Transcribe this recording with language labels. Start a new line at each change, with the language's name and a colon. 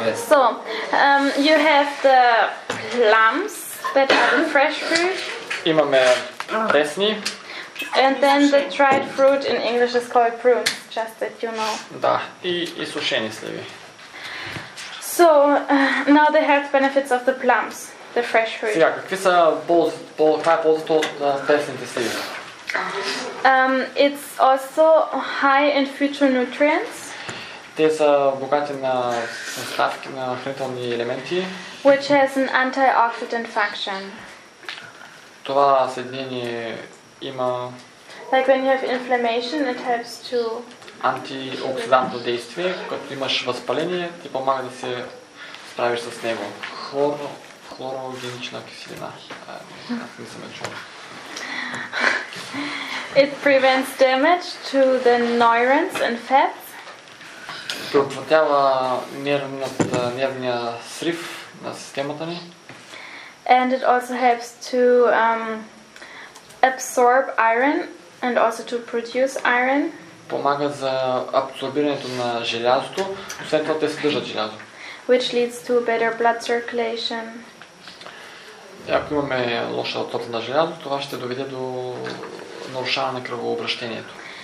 English: So, you have the plums that are the fresh fruit.
Bulgarian: Имаме пресни.
English: And then the dried fruit in English is called prune, just that you know.
Bulgarian: Да, и изсушени сливи.
English: So, now the health benefits of the plums, the fresh fruit.
Bulgarian: Сега, какви са ползите от пресните сливи?
English: It's also high in phytonutrients.
Bulgarian: Те са богати на съставки, на хранителни елементи.
English: Which has an antioxidant function.
Bulgarian: Това съединение има...
English: Like when you have inflammation, it helps to...
Bulgarian: Антиоксидантно действие, като имаш възпаление, ти помага да се справиш с него. Хлорогенична киселина. Не съм чул.
English: It prevents damage to the neurons and fats.
Bulgarian: Предотвратява нервния срив на системата ни.
English: And it also helps to absorb iron and also to produce iron.
Bulgarian: Помага за абсорбирането на желязото, освен това те съдържат желязо.
English: Which leads to better blood circulation.
Bulgarian: Ако имаме лоша отсотна на желязо, това ще доведе до нарушаване на кръвообращението.